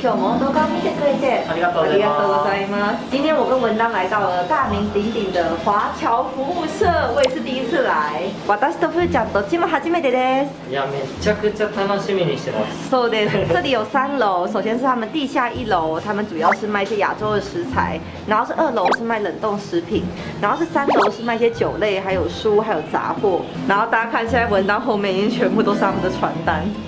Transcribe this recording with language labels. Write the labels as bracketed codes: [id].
[ja] 今日も動画を見てくれてありがとうございます。ありがとうございます。 [zh] 今天我跟文章来到了大名鼎鼎的华侨服务社。我也是第一次来。 [ja] 私とふーちゃんとチム初めてです。いや、めちゃくちゃ楽しみにしてます。そうです。 [zh] 这里有三楼，首先是他们地下一楼，他们主要是卖一些亚洲的食材，然后是二楼是卖冷冻食品，然后是三楼是卖一些酒类，还有书，还有杂货。然后大家看，现在文章后面已经全部都是他们的传单。